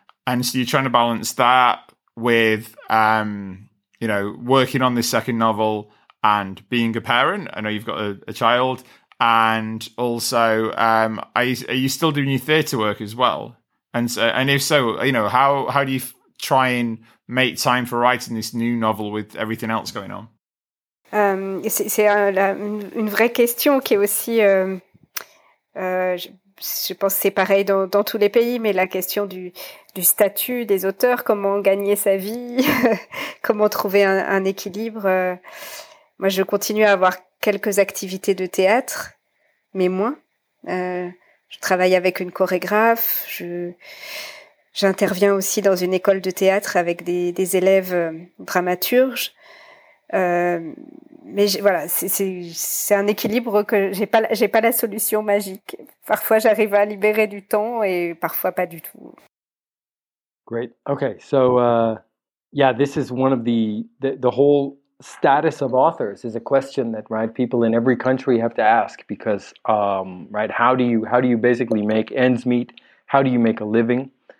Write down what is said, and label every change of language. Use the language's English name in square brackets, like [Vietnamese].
[English] And so you're trying to balance that with, working on this second novel and being a parent. I know you've got a child. And also, are you still doing your theatre work as well? And so, and if so, how do you try and make time for writing this new novel with everything else going on? [French] C'est une vraie question qui est aussi, je pense que c'est pareil dans tous les pays, mais la question du statut des auteurs, comment gagner sa vie, comment trouver un équilibre. Moi, je continue à avoir quelques activités de théâtre, mais moins. Je travaille avec une chorégraphe. J'interviens aussi dans une école de théâtre avec des élèves dramaturges. Mais voilà, c'est un équilibre que j'ai pas la solution magique. Parfois, j'arrive à libérer du temps et parfois pas du tout. [English] Great. Okay. So, yeah, this is one of the whole status of authors is a question that, right, people in every country have to ask because, right, how do you basically make ends meet? How do you make a living?